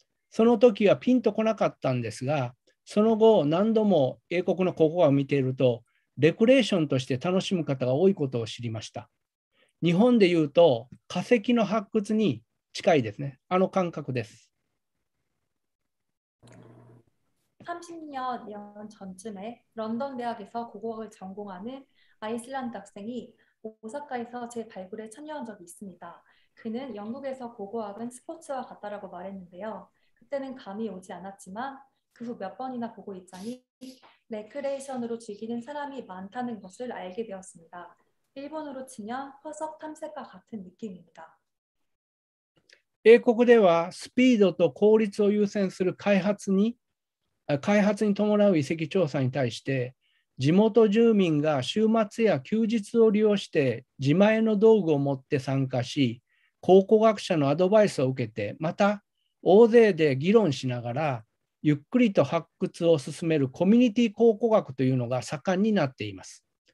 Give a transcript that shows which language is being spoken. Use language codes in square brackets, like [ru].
[ja] その時はピンとこなかったんですが、その後何度も英国の考古学を見ているとレクレーションとして楽しむ方が多いことを知りました。日本でいうと化石の発掘に近いですね。あの感覚です。 [ko] 30년전쯤에런던대학에서고고학을전공하는아이슬란드학생이 오사카에서 제 발굴에 참여한 적이 있습니다. 그는 영국에서 고고학은 스포츠와 같다라고 말했는데요. 그때는 감이 오지 않았지만 그 후 몇 번이나 보고 있자니 레크레이션으로 즐기는 사람이 많다는 것을 알게 되었습니다. 일본으로 치면 화석 탐색과 같은 느낌입니다. [ja] 英国ではスピードと効率を優先する開発に伴う遺跡調査に対して地元住民が週末や休日を利用して自前の道具を持って参加し考古学者のアドバイスを受けてまた大勢で議論しながらゆっくりと発掘を進めるコミュニティ考古学というのが盛んになっています。